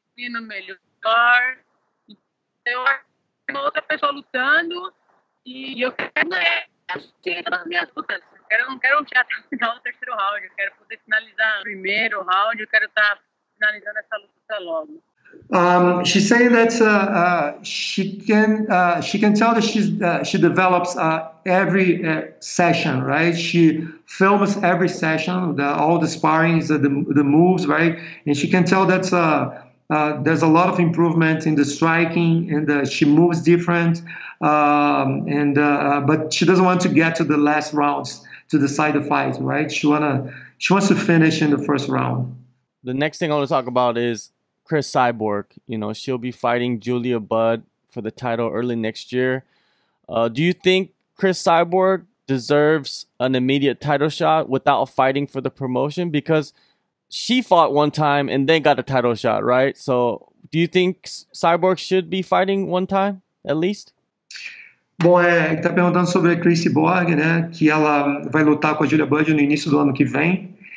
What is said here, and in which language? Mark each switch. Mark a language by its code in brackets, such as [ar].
[pt] No melhor, então uma outra pessoa lutando e eu quero ganhar as minhas lutas. Eu não quero já terminar o terceiro round, eu quero poder finalizar o primeiro round, eu quero estar finalizando essa luta logo. [en] She said that she can tell that she develops every session, right? She films every session, all the sparrings, the moves, right? And she can tell that there's a lot of improvement in the striking, and she moves different. But she doesn't want to get to the last rounds to decide the fight, right? She wants to finish in the first round. The next thing I want to talk about is Chris Cyborg. You know, she'll be fighting Julia Budd for the title early next year. Do you think Chris Cyborg deserves an immediate title shot without fighting for the promotion? Because she fought one time and then got a title shot, right? So do you think Cyborg should be fighting one time, at least? [pt] Bom, ele tá perguntando sobre a Chris Cyborg, né? Que ela vai lutar com a Julia Budd no início do ano que vem.